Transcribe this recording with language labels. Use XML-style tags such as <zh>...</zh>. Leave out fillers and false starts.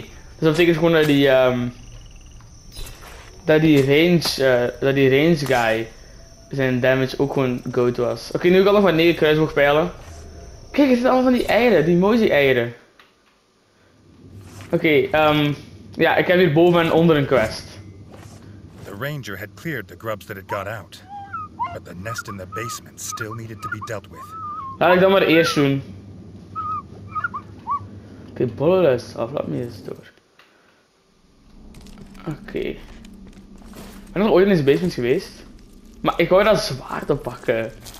<nl>Dus dat betekent gewoon dat die range guy zijn damage ook gewoon goat was. Oké, nu kan ik nog maar 9 kruisboogpijlen. Kijk, het zijn allemaal van die eieren. Die mooie eieren. Oké, ik heb hier boven en onder een quest.</nl> <en>The ranger had cleared the grubs that had got out, but the nest in the basement still needed to be dealt with.</en> <nl>Laat ik dat maar eerst doen. Oké, bolles, laat me eens door. Oké. Okay. Ik ben nog ooit in deze basement geweest. Maar ik wou dat zwaard oppakken.</nl>